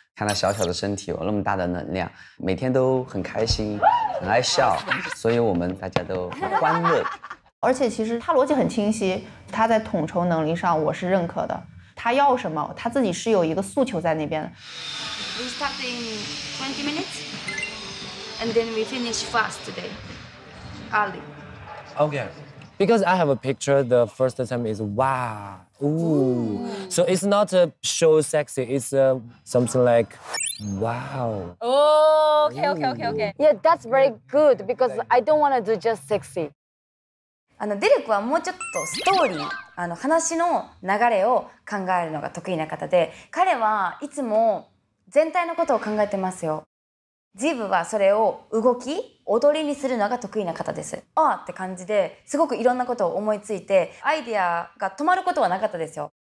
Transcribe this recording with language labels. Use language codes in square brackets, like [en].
[zh] 看他小小的身体有那么大的能量，每天都很开心，很爱笑，所以我们大家都很欢乐。而且其实他逻辑很清晰，他在统筹能力上我是认可的。他要什么，他自己是有一个诉求在那边的。 [en] We start in 20 minutes, and then we finish fast today, early. Okay, because I have a picture. The first time is wow. Ooh, so it's not a show sexy, it's something like, wow. Okay. Yeah, that's very good because I don't want to do just sexy. [ja] Derek はもうちょっとストーリー、話の流れを考えるのが得意な方で、彼はいつも全体のことを考えてますよ。ジブはそれを動き、踊りにするのが得意な方です。ああって感じで、すごくいろんなことを思いついて、アイディアが止まることはなかったですよ。